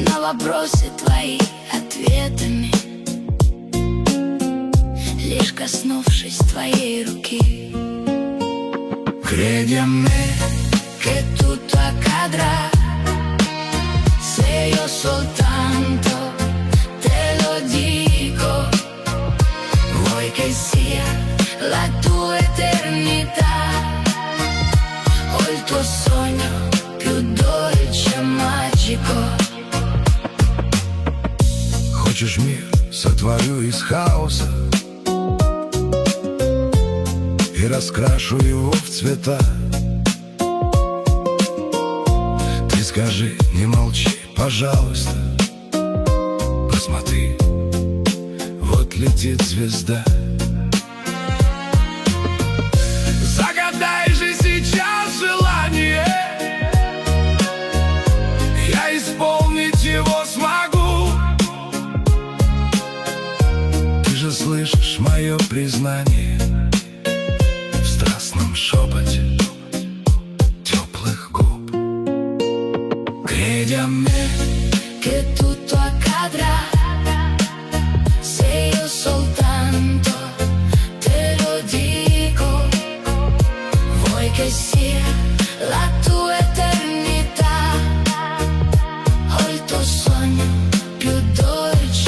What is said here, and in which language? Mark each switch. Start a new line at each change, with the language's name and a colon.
Russian: Вопросы твои ответами, лишь коснувшись твоей руки.
Italian: Credeme che tutto accadrà, se io soltanto te lo dico. Vuoi che sia la tua eternità o il tuo sogno più dolce e magico?
Russian: Хочешь мир, сотворю из хаоса и раскрашу его в цвета. Ты скажи, не молчи, пожалуйста, посмотри, вот летит звезда. Загадай же сейчас желание, я исполнить его смогу. Слышишь мое признание в страстном шепоте теплых губ.
Italian: Credeme che tutto accadrà, se io soltanto te lo dico. Vuoi che sia la tua eternità o il tuo sogno più dolce.